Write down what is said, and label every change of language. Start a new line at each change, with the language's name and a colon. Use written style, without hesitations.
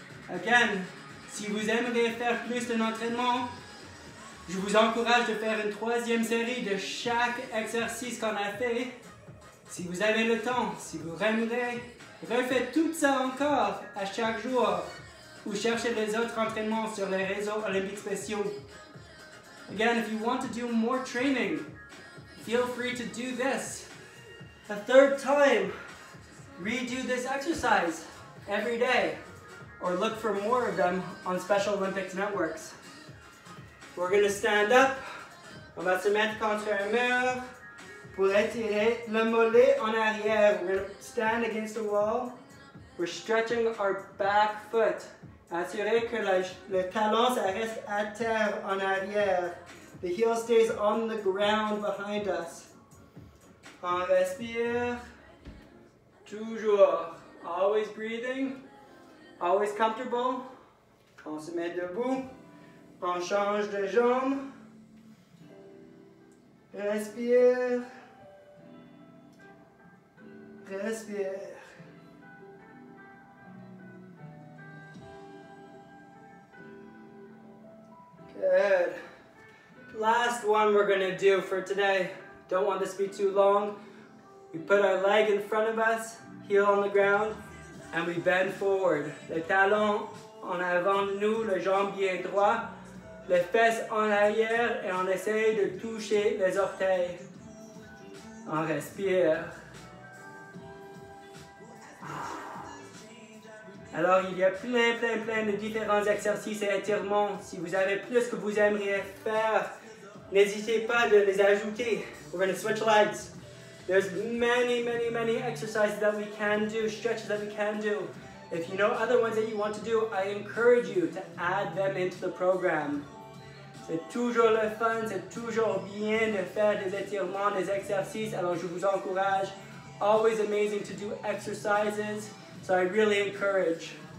French: Again, si vous aimeriez faire plus d'un entraînement, je vous encourage de faire une 3e série de chaque exercice qu'on a fait. Si vous avez le temps, si vous aimeriez, refaites tout ça encore à chaque jour ou cherchez les autres entraînements sur les réseaux Olympiques spéciaux.
English: Again, if you want to do more training, feel free to do this a third time. Redo this exercise every day or look for more of them on Special Olympics networks. We're going to stand up.
French: On va se mettre contre un mur. Pour étirer le mollet en arrière,
English: we're going to stand against the wall. We're stretching our back foot.
French: Assurez que le talon ça reste à terre en arrière.
English: The heel stays on the ground behind us.
French: On respire. Toujours.
English: Always breathing. Always comfortable.
French: On se met debout. On change de jambe. Respire. Respire.
English: Good. Last one we're going to do for today. Don't want this to be too long. We put our leg in front of us, heel on the ground, and we bend forward.
French: Le talon en avant de nous, le jambe bien droit, les fesses en arrière, et on essaie de toucher les orteils. On respire. Alors, il y a plein de différents exercices et étirements. Si vous avez plus que vous aimeriez faire, n'hésitez pas de les ajouter.
English: We're going to switch legs. There's many exercises that we can do, stretches that we can do. If you know other ones that you want to do, I encourage you to add them into the program.
French: C'est toujours le fun, c'est toujours bien de faire des étirements, des exercices. Alors, je vous encourage.
English: always amazing to do exercises, so I really encourage.